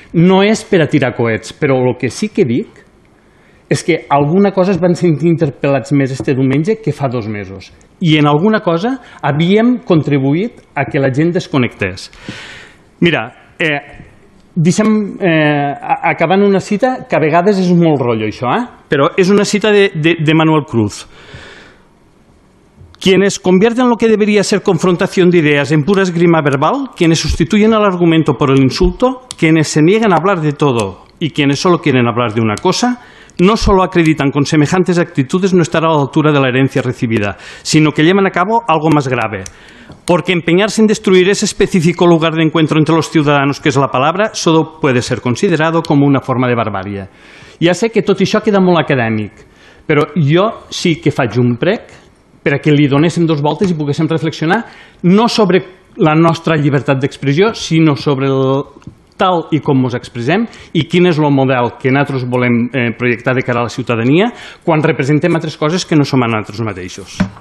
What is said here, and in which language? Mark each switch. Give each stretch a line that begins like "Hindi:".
Catalan: No és per a tirar coets, però el que sí que dic és que alguna cosa es van sentir interpel·lats més este diumenge que fa 2 mesos. I en alguna cosa havíem contribuït a que la gent desconnectés. Mira, deixem, acabant una cita, que a vegades és molt rotllo això, però és una cita de Manuel Cruz.
Spanish: Quienes convierten lo que debería ser confrontación de ideas en pura esgrima verbal, quienes sustituyen el argumento por el insulto, quienes se niegan a hablar de todo y quienes solo quieren hablar de una cosa, no solo acreditan con semejantes actitudes no estar a la altura de la herencia recibida, sino que llevan a cabo algo más grave. Porque empeñarse en destruir ese específico lugar de encuentro entre los ciudadanos que es la palabra, solo puede ser considerado como una forma de barbarie. Ya sé que todo
Catalan: això queda molt acadèmic, però jo sí que faig un prec perquè li donéssim 2 voltes i poguéssim reflexionar no sobre la nostra llibertat d'expressió, sinó sobre el tal i com ens expressem i quin és el model que nosaltres volem projectar de cara a la ciutadania quan representem altres coses que no som a nosaltres mateixos.